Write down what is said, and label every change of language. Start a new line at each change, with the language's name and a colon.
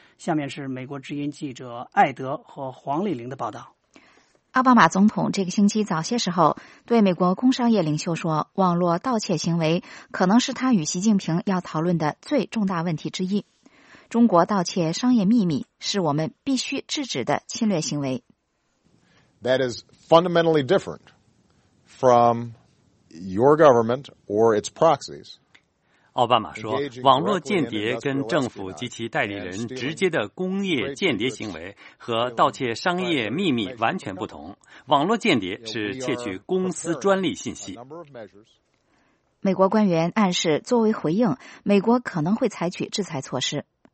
Chinese: 下面是美国之音记者艾德和黄丽玲的报道。奥巴马总统这个星期早些时候对美国工商业领袖说，网络盗窃行为可能是他与习近平要讨论的最重大问题之一。中国盗窃商业秘密是我们必须制止的侵略行为。
English: That is fundamentally different from your government or its proxies。
Chinese: 奥巴马说，网络间谍跟政府及其代理人直接的工业间谍行为和盗窃商业秘密完全不同。网络间谍是窃取公司专利信息。美国官员暗示，作为回应，美国可能会采取制裁措施。